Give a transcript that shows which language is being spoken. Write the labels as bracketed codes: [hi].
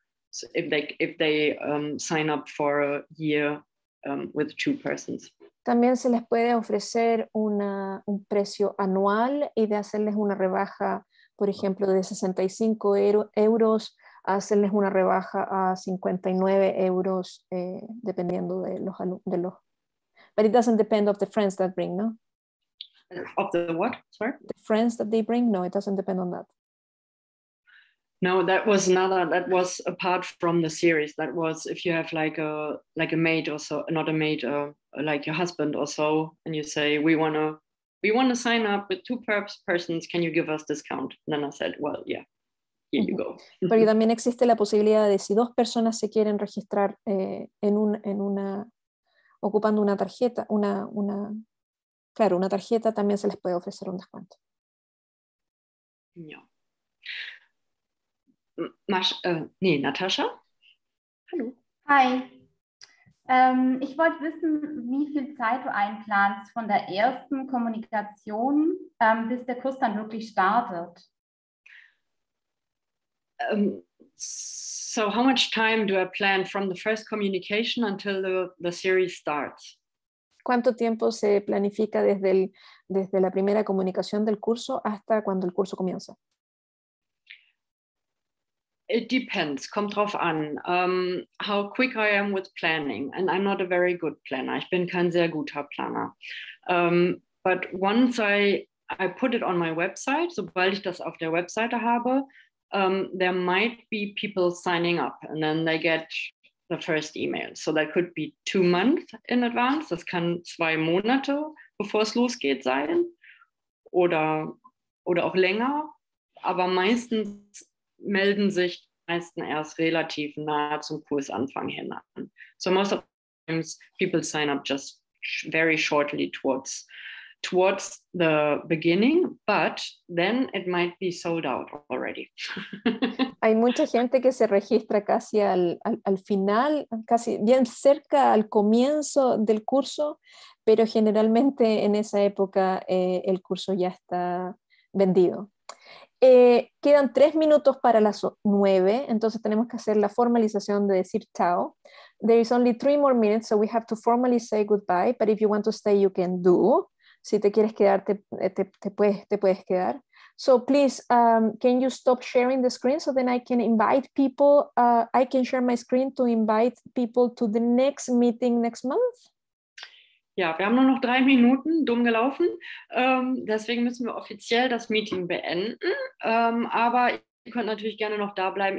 [en] So if they sign up for a year. With two persons. [es] También se les puede ofrecer un precio anual y de hacerles una rebaja, por ejemplo, de 65 euros, hacerles una rebaja a 59 euros, dependiendo de los alumnos. [en] But it doesn't depend of the friends that bring, no? Of the what? Sorry? The friends that they bring, no, it doesn't depend on that. No, that was another, that was apart from the series. That was if you have like a mate or so, not a mate, like your husband or so, and you say, we wanna sign up with two persons, can you give us discount? And then I said, well, yeah, here you go. [es] Pero también existe la posibilidad de si dos personas se quieren registrar en una, ocupando una tarjeta, una, claro, una tarjeta, también se les puede ofrecer un descuento. No. [de] Natascha? Hallo. Hi. Ich wollte wissen, wie viel Zeit du einplanst von der ersten Kommunikation, bis der Kurs dann wirklich startet. [en] So how much time do I plan from the first communication until the series starts? [es] ¿Cuánto tiempo se planifica desde la primera comunicación del curso hasta cuando el curso comienza? [en] It depends, [de] kommt drauf an, [en] how quick I am with planning. And I'm not a very good planner. [de] Ich bin kein sehr guter Planner. [en] But once I put it on my website, [de] sobald ich das auf der Webseite habe, [en] there might be people signing up and then they get the first email. So that could be 2 months in advance. [de] Das kann 2 Monate, bevor es losgeht, sein. Oder auch länger. Aber meistens melden sich meistens erst relativ nah zum Kursanfang hin an. [en] So most of the times people sign up just very shortly towards the beginning, but then it might be sold out already. [es] Hay mucha gente que se registra casi al final, casi bien cerca al comienzo del curso, pero generalmente en esa época el curso ya está vendido. Quedan 3 minutos para las 9, entonces tenemos que hacer la formalización de decir chao. [en] There is only 3 more minutes, so we have to formally say goodbye, but if you want to stay, you can do. [es] Si te quieres quedar, te puedes quedar. [en] So please, can you stop sharing the screen so then I can invite people, I can share my screen to invite people to the next meeting next month? [de] Ja, wir haben nur noch 3 Minuten, dumm gelaufen. Deswegen müssen wir offiziell das Meeting beenden. Aber ihr könnt natürlich gerne noch da bleiben.